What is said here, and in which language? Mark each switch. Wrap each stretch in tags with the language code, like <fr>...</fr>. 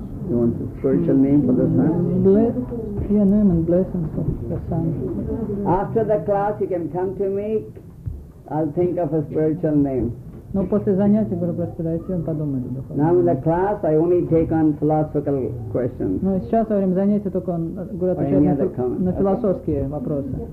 <en>You want the spiritual name for the son? Your name and blessings for the son. After the class you can come to me, I'll think of a spiritual name.</en> <ru>Но после занятий, говорю, просто дайте, он подумает.</ru> <en>Now in the class I only take on philosophical questions.</en> <ru>Но сейчас во время занятий только он, говорю, отвечает на философские вопросы.</ru>